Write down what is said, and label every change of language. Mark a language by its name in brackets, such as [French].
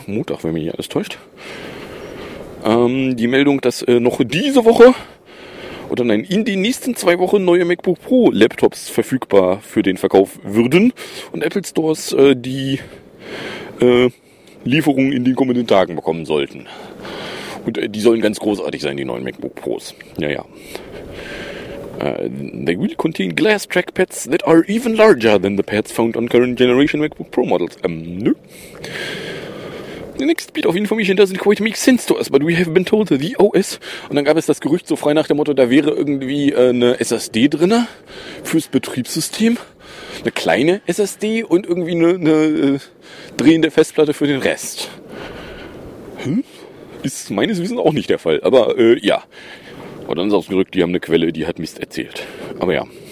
[German] Montag, wenn mich nicht alles täuscht, die Meldung, dass noch diese Woche oder nein, in den nächsten 2 Wochen neue MacBook Pro Laptops verfügbar für den Verkauf würden und Apple Stores die Lieferung in den kommenden Tagen bekommen sollten. Und die sollen ganz großartig sein, die neuen MacBook Pros. Jaja. [English] They will contain glass trackpads that are even larger than the pads found on current generation MacBook Pro models. No. The next bit of information doesn't quite make sense to us, but we have been told the OS. [German] Und dann gab es das Gerücht so frei nach dem Motto, da wäre irgendwie eine SSD drinne fürs Betriebssystem. Eine kleine SSD und irgendwie eine drehende Festplatte für den Rest. Hm? Ist meines Wissens auch nicht der Fall, aber ja. Oh, dann ist ausgerückt, die haben eine Quelle, die hat Mist erzählt. Aber ja.